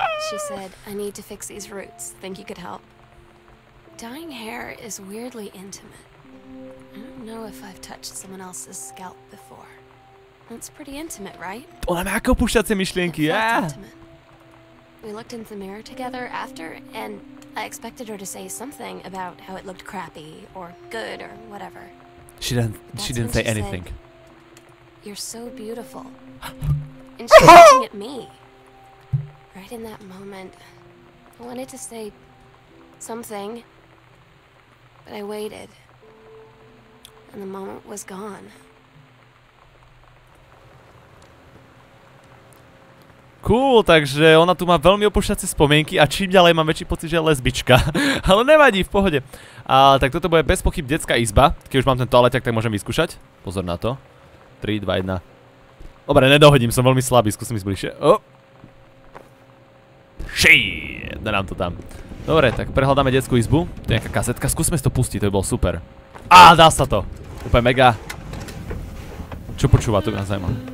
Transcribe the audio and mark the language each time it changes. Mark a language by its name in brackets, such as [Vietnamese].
[English] She said, "I need to fix these roots. Think you could help?" Dying hair is weirdly intimate. I don't know if I've touched someone else's scalp before. That's pretty intimate, right? [Slovak] Ona má ako púšťacie myšlienky, yeah. [English] We looked in the mirror together after, and I expected her to say something about how it looked crappy or good or whatever. She didn't say anything. Said, "You're so beautiful." And she's looking at me. Right in that moment, I wanted to say something. But I waited, and the moment was gone. [Slovak] Cool, takže ona tu má veľmi opúšťacie spomienky a čím ďalej mám väčší pocit, že je lesbička. Ale nevadí, v pohode. A tak toto bude bez pochyb detská izba. Keď už mám ten toaleťak, tak môžem vyskúšať. Pozor na to. 3, 2, 1. Dobre, nedohodím, som veľmi slabý, skúsim ísť bližšie. Shit, dá nám to tam. Dobre, tak prehľadáme detskú izbu. To je nejaká kasetka, skúsme si to pustiť, to by bolo super. Á, dá sa to. Úplne mega. Čo počúva, to by nás zaujímalo.